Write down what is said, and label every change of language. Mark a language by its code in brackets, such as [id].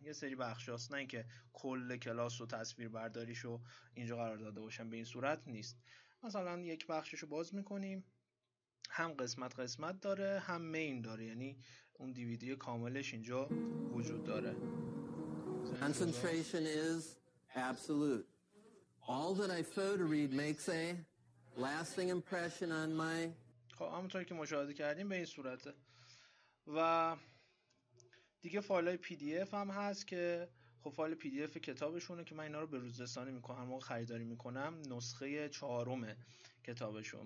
[fa] یه سری بخش هاست، نه اینکه کل کلاس و تصویر برداریش رو اینجا قرار داده باشن، به این صورت نیست. مثلا یک بخشش رو باز میکنیم، هم قسمت قسمت داره هم مین داره، یعنی اون دیویدی کاملش اینجا وجود داره. [en] Concentration is absolute. All that I photoread makes a lasting impression on my... [fa] خب همونطور که مشاهده کردیم به این صورته. و دیگه فایل های پی دی اف هم هست که خب فایل پی دی اف کتابشونه که من اینا رو به روزرسانی میکنم، موقع خریداری میکنم نسخه چهارم کتابشون.